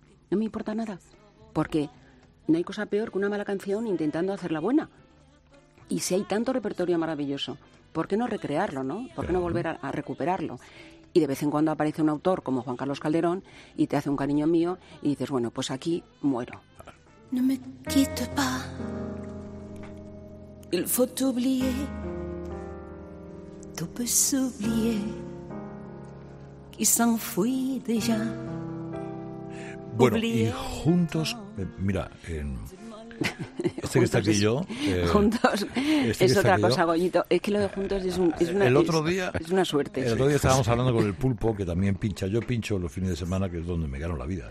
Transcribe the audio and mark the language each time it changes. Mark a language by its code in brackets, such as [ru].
[es] No me importa nada, porque no hay cosa peor que una mala canción intentando hacerla buena. Y si hay tanto repertorio maravilloso, ¿por qué no recrearlo, no? ¿Por qué no volver a recuperarlo? Y de vez en cuando aparece un autor como Juan Carlos Calderón y te hace un Cariño mío y dices, bueno, pues aquí muero. [fr] Ne me quitte pas, il faut oublier, tu peux oublier, qui s'enfuit déjà. [es] Bueno, y juntos, mira, este que está aquí yo. Juntos es otra cosa, Goyito. Es que lo de juntos es una suerte. El otro día estábamos hablando con el Pulpo, que también pincha. Yo pincho los fines de semana, que es donde me gano la vida.